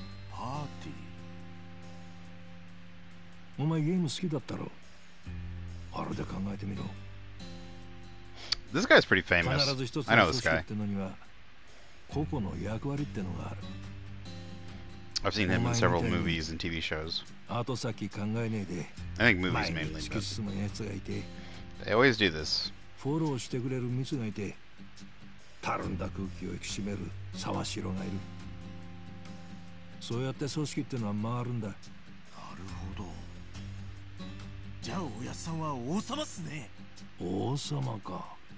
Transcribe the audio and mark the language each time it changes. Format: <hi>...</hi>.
<ja>パーティー。お前ゲーム好きだったろ。あれで考えてみろ。</ja> <en>This guy is pretty famous.</en> <ja>必ず一つの組織ってのには個々の役割ってのがある。</ja> <en>I've seen him in several movies and TV shows. I think movies mainly, but they always do this.</en> <ja>フォローしてくれるミスがいて、たるんだ空気を引き締める沢城がいる。そうやって組織ってのは回るんだ。なるほど。じゃあおやさんは王様っすね。王様か。</ja>